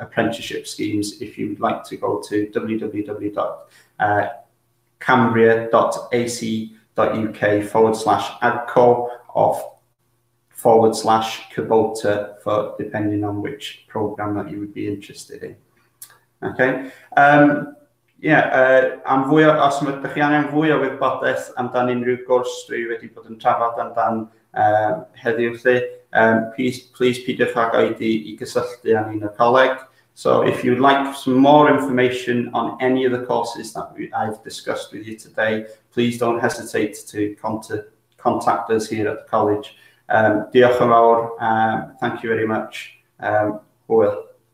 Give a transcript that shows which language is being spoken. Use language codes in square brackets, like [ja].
[en] apprenticeship schemes if you'd like to go to www.cambria.ac.uk/adco or /Kubota for depending on which program that you would be interested in. [cy] Am fwy o, os ydych chi angen fwy o wybodaeth amdan unrhyw gwrs dwi wedi bod yn trafod amdan heddiw lly, please peidiwch ag oedi I gysylltu â ni'n y coleg. [en] So if you'd like some more information on any of the courses that I've discussed with you today, please don't hesitate to contact us here at the college. [cy] Diolch yn fawr, [en] thank you very much, [cy] Hwyl.